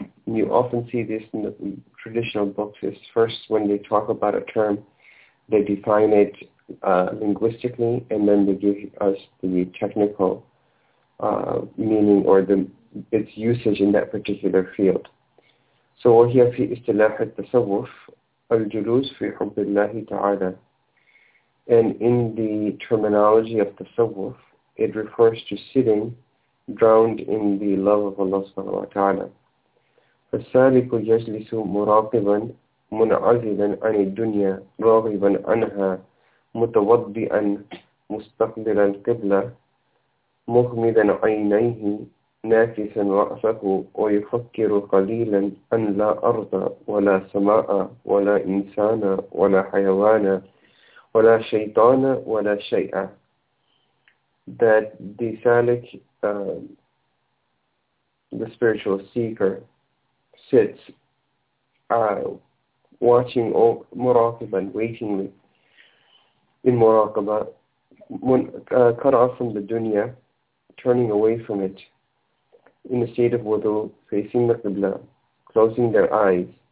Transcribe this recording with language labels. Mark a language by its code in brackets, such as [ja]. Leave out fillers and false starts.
[en] You often see this in the traditional books. It's first when they talk about a term, they define it linguistically, and then they give us the technical meaning or the its usage in that particular field. [ar] So وهي في اصطلاح التصوف الجلوس في حب الله تعالى. [en] And in the terminology of tasawwuf, it refers to sitting drowned in the love of Allah subhanahu wa ta'ala. [ar] فالسالك يجلس مراقبا منعزلا عن الدنيا راغبا عنها متوضئا مستقبلا القبلة مغمضا عينيه نافسا رأسه ويفكر قليلا أن لا أرض ولا سماء ولا إنسان ولا حيوان ولا شيطان ولا شيء. [en] That the salik, the spiritual seeker, sits watching muraqiban, waitingly in muraqaba, cut off from the dunya, turning away from it, in a state of wudu, facing the qibla, closing their eyes,